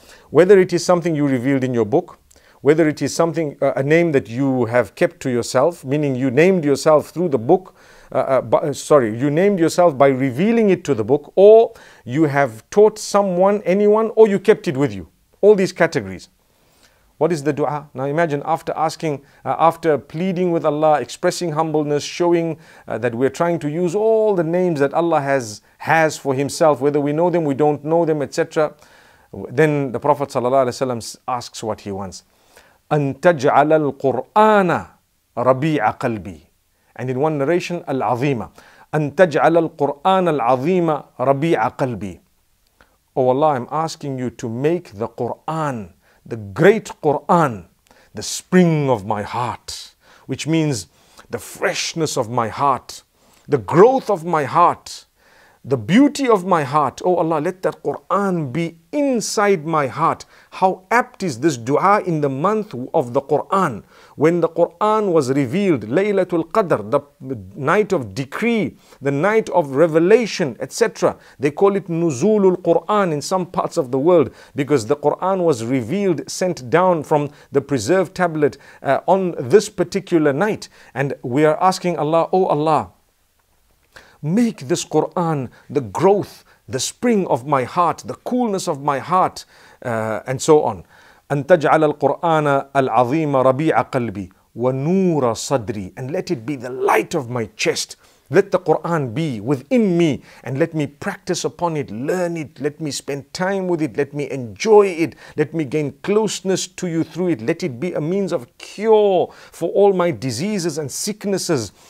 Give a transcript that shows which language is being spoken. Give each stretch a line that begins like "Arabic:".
English: Whether it is something you revealed in your book, whether it is something a name that you have kept to yourself, meaning you named yourself through the book, you named yourself by revealing it to the book, or you have taught someone, anyone, or you kept it with you. All these categories. What is the dua? Now imagine after asking, after pleading with Allah, expressing humbleness, showing that we're trying to use all the names that Allah has for Himself, whether we know them, we don't know them, etc. Then the Prophet sallallahu alaihi wasallam asks what he wants.
Arabic: أن تجعل القرآن ربيع قلبي.
English: And in one narration,
Arabic: العظيمة. أن تجعل القرآن العظيمة ربيع قلبي.
English: Oh Allah, I'm asking you to make the Quran, the great Quran, the spring of my heart, which means the freshness of my heart, the growth of my heart, the beauty of my heart. Oh Allah, let that Quran be inside my heart. How apt is this dua in the month of the Quran, when the Quran was revealed, Laylatul Qadr, the night of decree, the night of revelation, etc. They call it Nuzulul Quran in some parts of the world, because the Quran was revealed, sent down from the preserved tablet on this particular night. And we are asking Allah, oh Allah, make this Quran the growth, the spring of my heart, the coolness of my heart, and so on.
Arabic: أن تجعل القرآن العظيم ربيع قلبي ونور صدري.
English: And let it be the light of my chest. Let the Quran be within me, and let me practice upon it, learn it, let me spend time with it, let me enjoy it, let me gain closeness to you through it, let it be a means of cure for all my diseases and sicknesses.